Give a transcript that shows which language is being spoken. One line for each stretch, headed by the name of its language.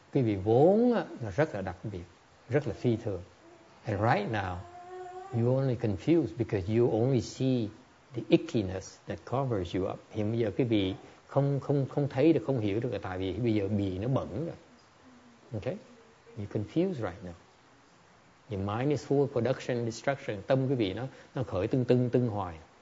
Vietnamese: Quý vị vốn là rất là đặc biệt, rất là phi thường.
English: And right now, you only confused because you only see the ickiness that covers you up.
Vietnamese: Hiện bây giờ quý vị không thấy được, không hiểu được là tại vì bây giờ bị nó bẩn rồi.
English: Okay? You're confused right now. Your mind is full of production and destruction.
Vietnamese: Tâm quý vị nó khởi tưng hoài.